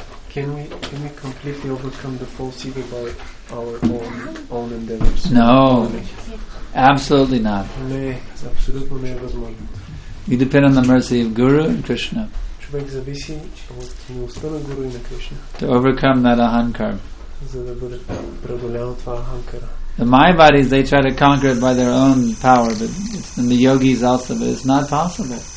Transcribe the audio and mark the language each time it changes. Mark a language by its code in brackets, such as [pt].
[en] Can we completely overcome the false ego by our own endeavors? No, absolutely not. [bg] Не, абсолютно не е възможно. [en] We depend on the mercy of Guru and Krishna. [bg] Човек зависи от милостта на Гуру и на Кришна. [en] To overcome that ahankar. [bg] За да бъде преодоляно това ahankara. [en] The Mayavadis, they try to conquer it by their own power, but it's, and the yogis also, but it's not possible.